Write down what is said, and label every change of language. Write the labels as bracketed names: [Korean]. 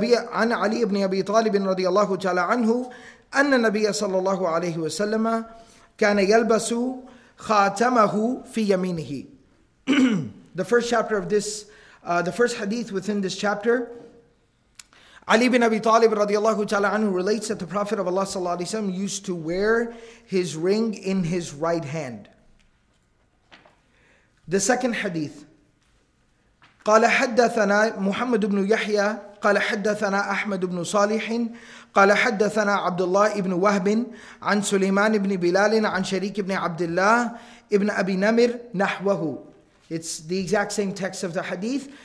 [Arabic] عن علي بن أبي طالب رضي الله تعالى عنه أن النبي صلى الله عليه وسلم كان يلبس خاتمه في يمينه. [English] The first chapter of this, the first hadith within this chapter, Ali ibn Abi Talib radiallahu ta'ala anhu relates that the Prophet of Allah sallallahu alayhi wa sallam used to wear his ring in his right hand. The second hadith, [Arabic] قال حدثنا محمد بن يحيى قال حدثنا أحمد بن صالح قال حدثنا عبد الله بن وهب عن سليمان بن بلال عن شريك بن عبد الله ابن أبي نمر نحوه. [English] It's the exact same text of the hadith.